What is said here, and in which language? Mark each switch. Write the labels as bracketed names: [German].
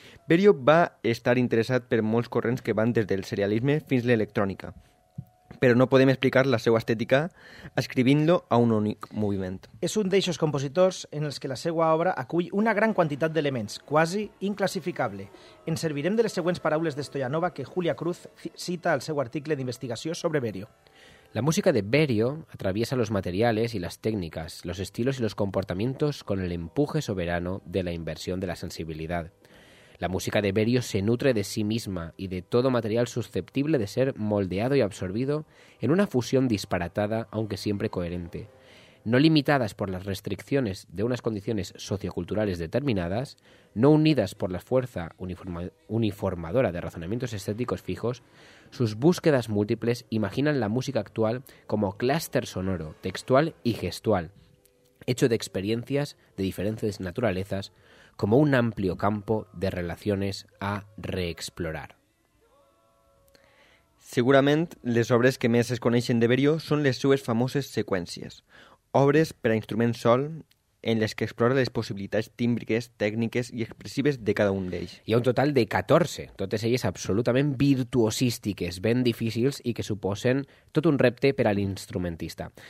[Catalan] Berio va estar interessat per molts corrents que van des del serialisme fins a l'electrònica, però no podem explicar la seva estètica escrivint-lo a un únic moviment. És un d'eixos compositors en els que la seva obra acull una gran quantitat d'elements, quasi inclassificable. Ens servirem de les següents paraules de Stoyanova que Julia Cruz cita al seu article d'investigació sobre Berio. [Spanish] La música de Berio atraviesa los materiales y las técnicas, los estilos y los comportamientos con el empuje soberano de la inversión de la sensibilidad. La música de Berio se nutre de sí misma y de todo material susceptible de ser moldeado y absorbido en una fusión disparatada, aunque siempre coherente, no limitadas por las restricciones de unas condiciones socioculturales determinadas, no unidas por la fuerza uniformadora de razonamientos estéticos fijos. Sus búsquedas múltiples imaginan la música actual como clúster sonoro, textual y gestual, hecho de experiencias de diferentes naturalezas, como un amplio campo de relaciones a reexplorar. [Catalan] Segurament, les obres que més es coneixen de Berio són les seues famoses seqüències, obres per a instrument sol en les que explora les possibilitats tímbriques, tècniques i expressives de cada un d'ells. Hi ha un total de 14, totes elles absolutament virtuosístiques, ben difícils i que suposen tot un repte per a l'instrumentista.